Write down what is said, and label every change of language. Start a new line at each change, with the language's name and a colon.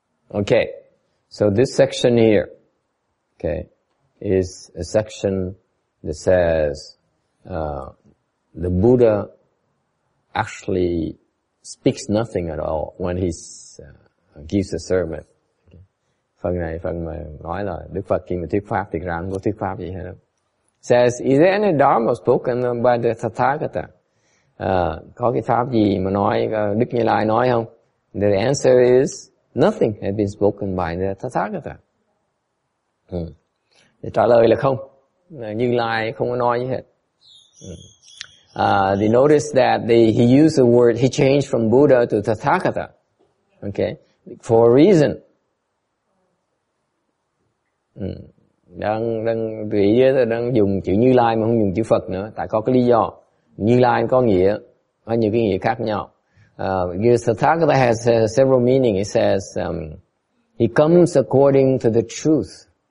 English: Okay, so this section here, okay, is a section that says the Buddha actually speaks nothing at all when he gives a sermon. Okay.
Vietnamese: Phần này phần mà nói là Đức Phật khi mà thuyết pháp thì rằng có thuyết pháp gì hết đâu.
English: Says, is there any Dharma spoken by the Tathagata?
Vietnamese: Có cái pháp gì mà nói Đức Như Lai nói không?
English: The answer is nothing had been spoken by the Tathagata.
Vietnamese: Thì trả lời là không. Như Lai không có nói gì hết.
English: They notice that he used the word, he changed from Buddha to Tathagata. Okay? For a reason.
Vietnamese: Đang tùy ý là đang dùng chữ Như Lai mà không dùng chữ Phật nữa. Tại có cái lý do. Như Lai có nghĩa, có nhiều cái nghĩa khác nhau.
English: Tathagata has several meanings. It says, he comes according to the truth.